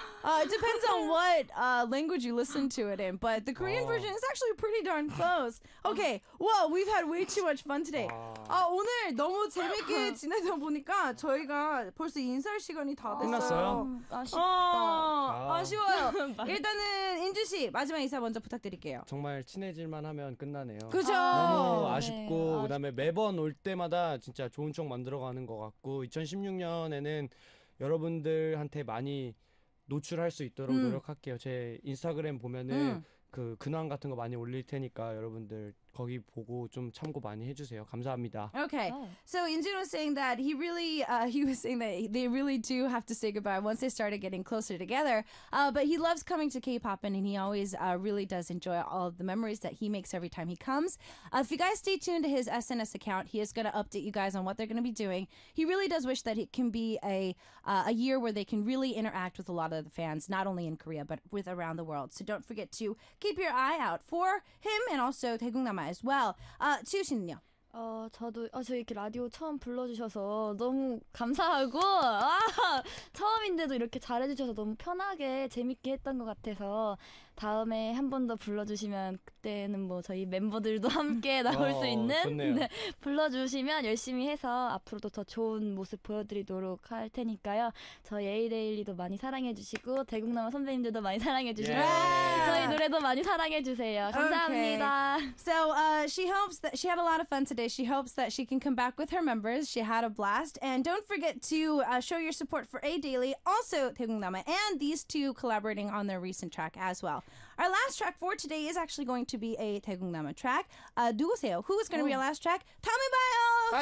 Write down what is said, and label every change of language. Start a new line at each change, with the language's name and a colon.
English: It depends on what language you listen to it in, but the Korean version is actually pretty darn close. Okay, well, we've had way too much fun today.
Korean: 오늘 너무 재밌게 지내다 보니까 저희가 벌써 인사할 시간이 다 됐어요. 아쉽다. 아쉬워요. 일단은 인주 씨 마지막 인사 먼저 부탁드릴게요. 정말 친해질만 하면 끝나네요. 그죠. 너무 아쉽고 네. 그다음에 매번 올 때마다 진짜 좋은 쪽 만들어가는 것 같고 2016년에는 여러분들한테 많이 노출할 수 있도록 노력할게요. 제 인스타그램 보면은 그 근황 같은 거 많이 올릴 테니까 여러분들 거기 보고 좀 참고 많이 해주세요. 감사합니다.
English: Okay, so Injun was saying that he was saying that they really do have to say goodbye once they started getting closer together. But he loves coming to K-pop and he always really does enjoy all of the memories that he makes every time he comes. If you guys stay tuned to his SNS account, he is going to update you guys on what they're going to be doing. He really does wish that it can be a year where they can really interact with a lot of the fans, not only in Korea but with around the world. So don't forget to keep your eye out for him and also 태국남. as well.
Korean: 지우 씨는요? 저도 저희 이렇게 라디오 처음 불러주셔서 너무 감사하고 처음인데도 이렇게 잘해주셔서 너무 편하게 재밌게 했던 것 같아서 다음에 한 번 더 불러주시면 그때는 뭐 저희 멤버들도 함께 나올 수 있는 네, 불러주시면 열심히 해서 앞으로도 더 좋은 모습 보여드리도록 할 테니까요. 저희 에이데일리도 많이 사랑해주시고 대국남아 선배님들도 많이 사랑해주시고 저희 노래도 많이 사랑해주세요. 감사합니다.
English: Okay. So she hopes that she had a lot of fun today. She hopes that she can come back with her members. She had a blast. And don't forget to show your support for A-Daily, also 대국남아, and these two collaborating on their recent track as well. Our last track for today is actually going to be a 대국남아 track.
Korean: 누구세요?
English: Who is going to be our last track?
Korean: 다음에 봐요!